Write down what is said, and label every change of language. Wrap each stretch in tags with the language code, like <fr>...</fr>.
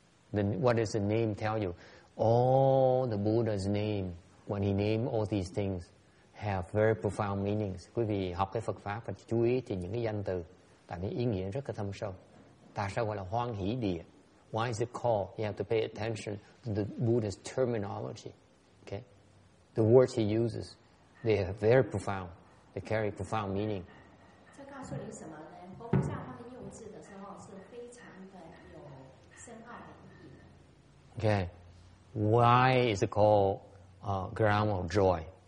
<en>What does the name tell you? All the Buddha's name, when he named all these things, have very profound meanings.</en> <vi>Quý vị học cái Phật pháp phải chú ý thì những cái danh từ, tại vì ý nghĩa rất là thâm sâu. Tại sao gọi là Hoan Hỷ Địa?</vi> <en>Why is it called? You have to pay attention to the Buddha's terminology. Okay, the words he uses, they are very profound. They carry profound meaning.</en> <zh>这告诉你什么呢？佛菩萨他们用字的时候是非常的有深奥的意义。</zh> <en>Okay, why is it called Ground of Joy?</en>